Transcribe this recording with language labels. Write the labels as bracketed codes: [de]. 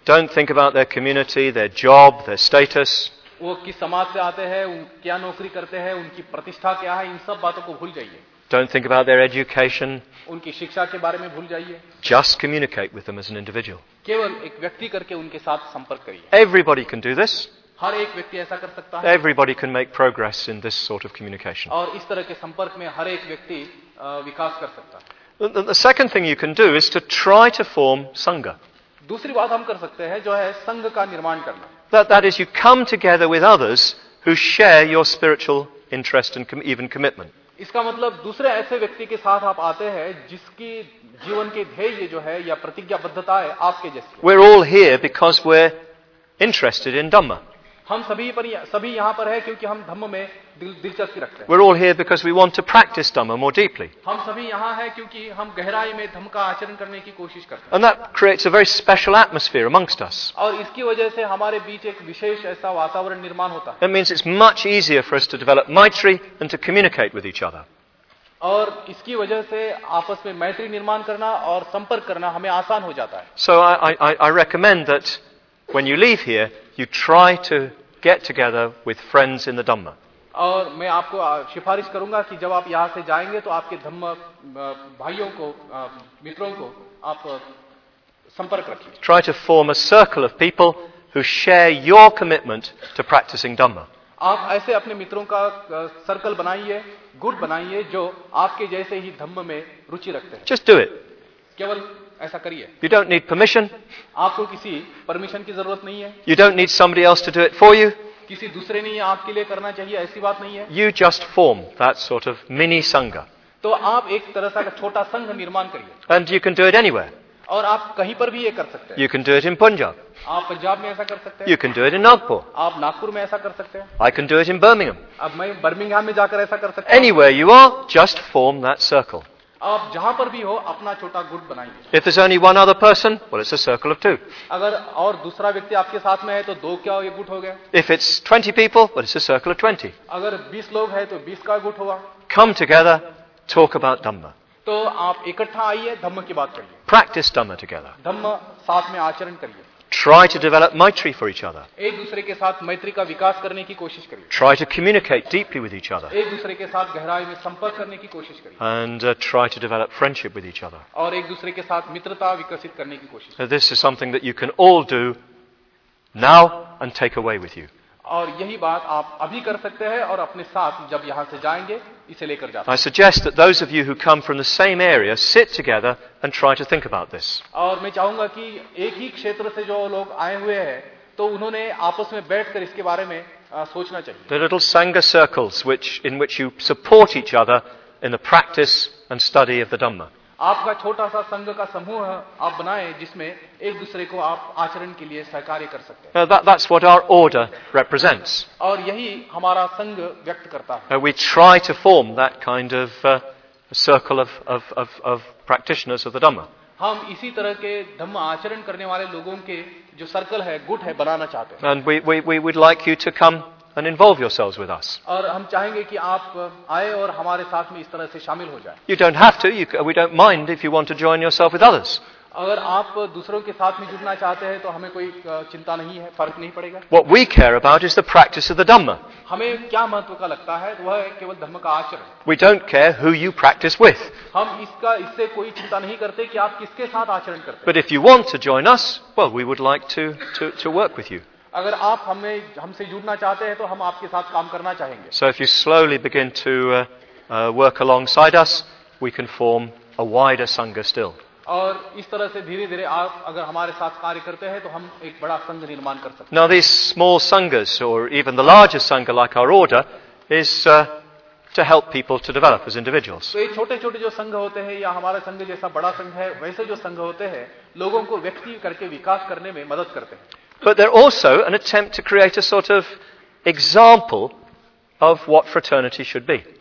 [en] Don't think about their community, their job, their status. [hi] वो किस समाज से आते हैं, क्या नौकरी करते हैं, उनकी प्रतिष्ठा क्या है, इन सब बातों को भूल जाइए. [en] Don't think about their education. [hi] उनकी शिक्षा के बारे में भूल जाइए. [en] Just communicate with them as an individual. [hi] केवल एक व्यक्ति करके उनके साथ संपर्क करिए. [en] Everybody can do this. [hi] हर एक व्यक्ति ऐसा कर सकता है. [en] Everybody can make progress in this sort of communication. [hi] और इस तरह के संपर्क में हर एक व्यक्ति विकास कर सकता है. [en] The second thing you can do is to try to form sangha. [hi] दूसरी बात हम कर सकते हैं जो है संघ का निर्माण करना. [en] That is, you come together with others who share your spiritual interest and even commitment. [hi] इसका मतलब दूसरे ऐसे व्यक्ति के साथ आप आते हैं जिसकी जीवन के ध्येय जो है या प्रतिज्ञाबद्धता है आपके जैसे. [en] We're all here because we're interested in dhamma. [hi] हम सभी यहाँ पर है क्योंकि हम धम्म में दिलचस्पी रखते हैं. [en] We're all here because we want to practice dhamma more deeply. [hi] हम सभी यहाँ है क्योंकि हम गहराई में धम्म का आचरण करने की कोशिश करते हैं. [en] And that creates a very special atmosphere amongst us. [hi] और इसकी वजह से हमारे बीच एक विशेष ऐसा वातावरण निर्माण होता है. [en] That means it's much easier for us to develop maitri and to communicate with each other. [hi] और इसकी वजह से आपस में मैत्री निर्माण करना और संपर्क करना हमें आसान हो जाता है. [en] So I recommend that when you leave here, you try to get together with friends in the Dhamma. [hi] और मैं आपको सिफारिश करूंगा कि जब आप यहाँ से जाएंगे तो आपके धम्म भाइयों को मित्रों को आप संपर्क रखिए. [en] Try to form a circle of people who share your commitment to practicing Dhamma. [hi] आप ऐसे अपने मित्रों का सर्कल बनाइए, गुट बनाइए जो आपके जैसे ही धम्म में रुचि रखते हैं. [en] Just do it. [hi] केवल ऐसा करिए. [en] You don't need permission. [hi] आपको किसी परमिशन की जरूरत नहीं है. [en] You don't need somebody else to do it for you. [hi] किसी दूसरे ने आपके लिए करना चाहिए ऐसी बात नहीं है. [en] You just form that sort of mini sangha. [hi] तो आप एक तरह का छोटा संघ निर्माण करिए. [en] And you can do it anywhere. [hi] और आप कहीं पर भी ये कर सकते हैं. [en] You can do it in Punjab. [hi] आप पंजाब में ऐसा कर सकते हैं. [en] You can do it in Nagpur. [hi] आप नागपुर में ऐसा कर सकते हैं. [en] I can do it in Birmingham. [hi] अब मैं बर्मिंघम में जाकर ऐसा कर सकता हूं. [en] Anywhere you are, just form that circle. [hi] आप जहां पर भी हो अपना छोटा गुट बनाइए. [en] If there's only one other person, well, it's a circle of two. [hi] अगर और दूसरा व्यक्ति आपके साथ में है तो दो क्या ये गुट हो गया. [en] If it's 20 people, well, it's a circle of 20. [hi] अगर 20 लोग हैं तो 20 का गुट होगा. [en] Come together, talk about dhamma. [hi] तो आप इकट्ठा आइए धम्म की बात करिए. [en] Practice dhamma together. [hi] धम्म साथ में आचरण करिए. [en] Try to develop maitri for each other. [hi] एक दूसरे के साथ मैत्री का विकास करने की कोशिश करिए. [en] Try to communicate deeply with each other. [hi] एक दूसरे के साथ गहराई में संपर्क करने की कोशिश करिए. [en] And try to develop friendship with each other. [hi] और एक दूसरे के साथ मित्रता विकसित करने की कोशिश. [en] This is something that you can all do now and take away with you. [hi] और यही बात आप अभी कर सकते हैं और अपने साथ जब यहाँ से जाएंगे इसे लेकर जाते हैं। [en] I suggest that those of you who come from the same area sit together and try to think about this. [hi] और मैं चाहूंगा कि एक ही क्षेत्र से जो लोग आए हुए हैं तो उन्होंने आपस में बैठकर इसके बारे में सोचना चाहिए। [en] The little sangha circles in which you support each other in the practice and study of the Dhamma. [hi] आपका छोटा सा संघ का समूह आप बनाएं जिसमें एक दूसरे को आप आचरण के लिए सहकार्य कर सकते हैं. [en] That's what our order represents. [hi] और यही हमारा संघ व्यक्त करता है. [en] We try to form that kind of circle of practitioners of the Dhamma. [hi] हम इसी तरह के धम्म आचरण करने वाले लोगों के जो सर्कल है गुट है बनाना चाहते हैं. [en] And we would like you to come and involve yourselves with us. [hi] और हम चाहेंगे कि आप आए और हमारे साथ में इस तरह से शामिल हो जाएं. [en] You don't have to. We don't mind if you want to join yourself with others. [hi] अगर आप दूसरों के साथ में जुड़ना चाहते हैं तो हमें कोई चिंता नहीं है, फर्क नहीं पड़ेगा. [en] What we care about is the practice of the Dhamma. [hi] हमें क्या महत्व का लगता है वह है केवल धर्म का आचरण. [en] We don't care who you practice with. [hi] हम इससे कोई चिंता नहीं करते कि आप किसके साथ आचरण करते. [en] But if you want to join us, well, we would like to work with you. [hi] अगर आप हमसे जुड़ना चाहते हैं तो हम आपके साथ काम करना चाहेंगे. [en] So if you slowly begin to work alongside us, we can form a wider sangha still. [hi] और इस तरह से धीरे धीरे आप अगर हमारे साथ कार्य करते हैं तो हम एक बड़ा संघ निर्माण कर सकते हैं. [en] Now these small sanghas or even the larger sangha like our order is to help people to develop as individuals. [hi] So, छोटे छोटे जो संघ होते हैं या हमारा संघ जैसा बड़ा संघ है वैसे जो संघ होते हैं लोगों को व्यक्ति करके विकास करने में मदद करते हैं. [en] But they're also an attempt to create a sort of example of what fraternity should be.